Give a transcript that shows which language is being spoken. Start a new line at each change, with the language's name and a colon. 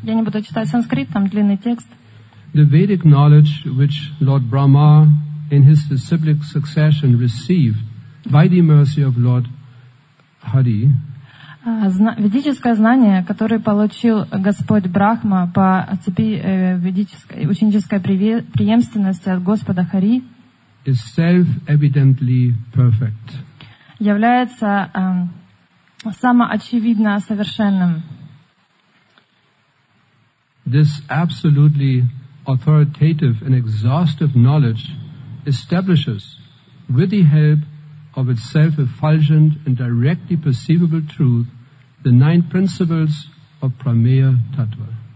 Russian: Я не буду читать санскрит, там длинный текст.
English: The Vedic knowledge which Lord Brahma in his disciplic succession received by the mercy of Lord Hari.
Russian: Ведическое знание, которое получил Господь Брахма по цепи ведической ученической преемственности от Господа Хари.
English: Is self-evidently perfect.
Russian: Является самоочевидно совершенным.
English: This absolutely authoritative and exhaustive knowledge establishes, with the help of its self-effulgent and directly perceivable truth, the nine principles of Pramaya Tattva.